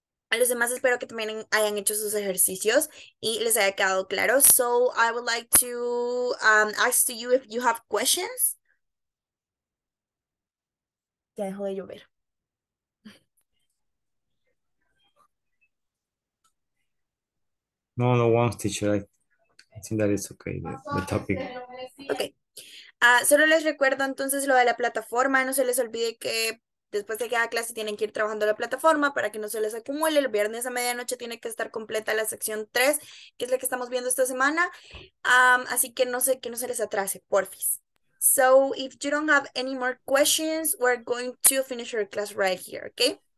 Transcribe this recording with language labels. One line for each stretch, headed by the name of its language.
Spanish: A los demás espero que también hayan hecho sus ejercicios y les haya quedado claro.
English: So I would like to ask to you if you have questions.
Spanish: Ya dejó de llover.
English: No one's teacher. I think that is okay, the topic. Okay.
Spanish: Solo les recuerdo entonces lo de la plataforma. No se les olvide que después de cada clase tienen que ir trabajando la plataforma para que no se les acumule. El viernes a medianoche tiene que estar completa la sección 3, que es la que estamos viendo esta semana. Así que no sé, que no se les atrase, porfis.
English: So, if you don't have any more questions, we're going to finish our class right here, okay?